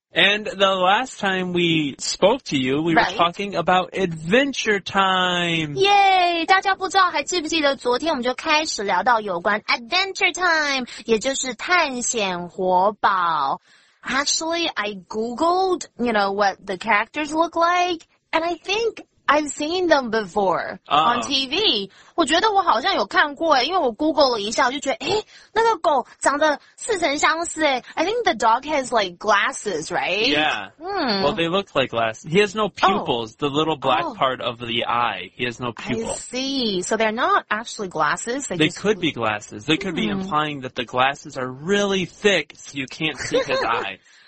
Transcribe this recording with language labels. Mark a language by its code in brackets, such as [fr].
[en] And the last time we spoke to you, we were talking about Adventure Time. [zh] Yay! 大家不知道还记不记得昨天我们就开始聊到有关 Adventure Time, 也就是探险活宝。 [en] Actually, I googled, you know, what the characters look like, and I think... I've seen them before on TV. [zh] 我觉得我好像有看过耶，因为我 Google 了一下，我就觉得，诶，那个狗长得似曾相似耶。 [en] I think the dog has like glasses, right? Yeah. Well, they look like glasses. He has no pupils, the little black part of the eye. He has no pupils. I see. So they're not actually glasses. They could be glasses. They could be implying that the glasses are really thick so you can't see his eye.